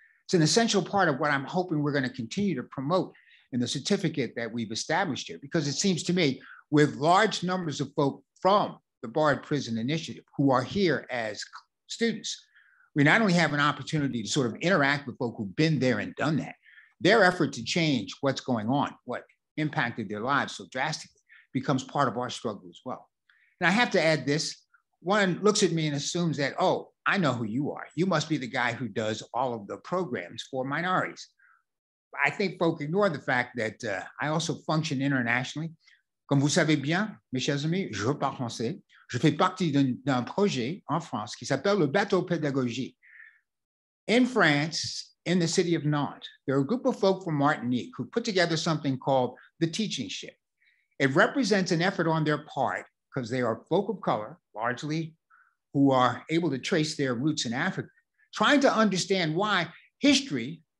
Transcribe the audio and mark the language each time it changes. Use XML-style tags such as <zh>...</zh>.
<en>It's an essential part of what I'm hoping we're going to continue to promote in the certificate that we've established here, because it seems to me with large numbers of folk from the Barred Prison Initiative who are here as students, we not only have an opportunity to sort of interact with folk who've been there and done that, their effort to change what's going on, what impacted their lives so drastically becomes part of our struggle as well. And I have to add this, one looks at me and assumes that, oh, I know who you are. You must be the guy who does all of the programs for minorities. I think folk ignore the fact that I also function internationally.</en> <fr>Comme vous savez bien, mes chers amis, je parle français. Je fais partie d'un projet en France qui s'appelle le bateau pédagogique.</fr> <en>In France, in the city of Nantes, there are a group of folk from Martinique who put together something called the teaching ship. It represents an effort on their part because they are folk of color, largely, who are able to trace their roots in Africa, trying to understand why history</en>